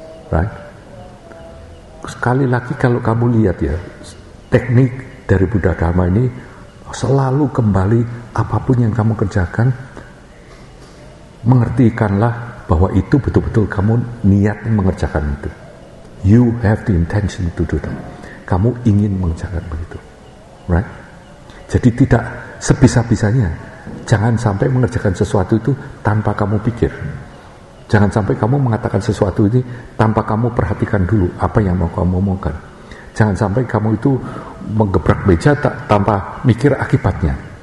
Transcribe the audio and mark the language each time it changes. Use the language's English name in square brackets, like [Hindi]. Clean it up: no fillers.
[Indonesian] Right? Sekali lagi kalau kamu lihat ya, teknik dari Buddha Dharma ini selalu kembali, apapun yang kamu kerjakan, mengertikanlah bahwa itu betul-betul kamu niat mengerjakan itu. [English] You have the intention to do that. [Indonesian] Kamu ingin mengerjakan begitu. Right? Jadi tidak sebisa-bisanya, jangan sampai mengerjakan sesuatu itu tanpa kamu pikir. Jangan sampai kamu mengatakan sesuatu ini tanpa kamu perhatikan dulu apa yang mau kamu omongkan. Jangan sampai kamu itu menggebrak meja tanpa mikir akibatnya.